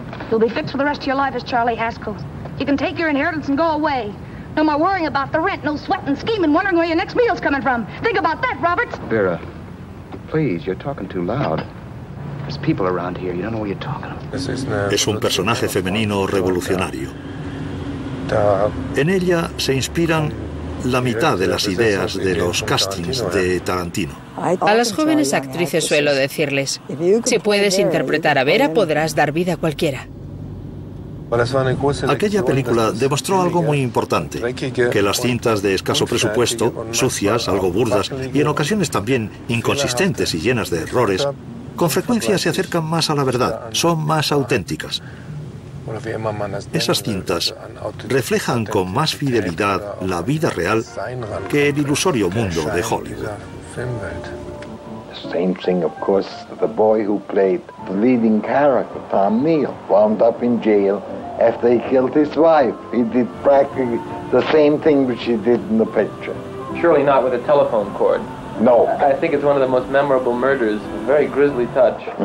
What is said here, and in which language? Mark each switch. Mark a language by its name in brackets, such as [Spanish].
[English] You'll be fixed for the rest of your life as Charlie Haskell. You can take your inheritance and go away. No more worrying about the rent, no sweating, scheming, wondering where your next meal's coming from. Think about that, Robert. Vera, please, you're talking too loud. There's people around here, you don't know what you're talking about. [Spanish] Es un personaje femenino revolucionario. En ella se inspiran la mitad de las ideas de los castings de Tarantino. A las jóvenes actrices suelo decirles, si puedes interpretar a Vera, podrás dar vida a cualquiera. Aquella película demostró algo muy importante, que las cintas de escaso presupuesto, sucias, algo burdas y en ocasiones también inconsistentes y llenas de errores, con frecuencia se acercan más a la verdad, son más auténticas. Esas cintas reflejan con más fidelidad la vida real que el ilusorio mundo de Hollywood. [English] Same thing, of course, the boy who played the leading character, Tom Neal, wound up in jail after he killed his wife. He did practically the same thing which he did in the picture. Surely not with a telephone cord. No. I think it's one of the most memorable murders, a very grisly touch.